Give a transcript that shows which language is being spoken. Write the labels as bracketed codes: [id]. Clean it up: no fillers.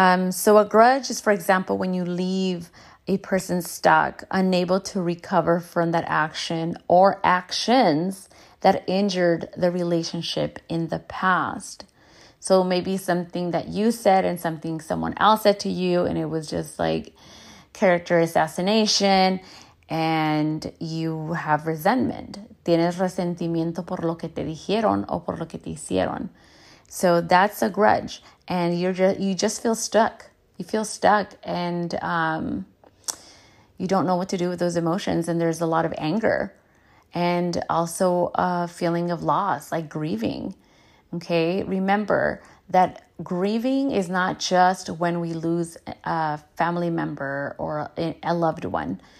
[en] So a grudge is, for example, when you leave a person stuck, unable to recover from that action or actions that injured the relationship in the past. So maybe something that you said and something someone else said to you, and it was just like character assassination, and you have resentment. [es] Tienes resentimiento por lo que te dijeron o por lo que te hicieron. [en] So that's a grudge, and you just feel stuck. You feel stuck, and you don't know what to do with those emotions, and there's a lot of anger, and also a feeling of loss, like grieving. Okay, remember that grieving is not just when we lose a family member or a loved one.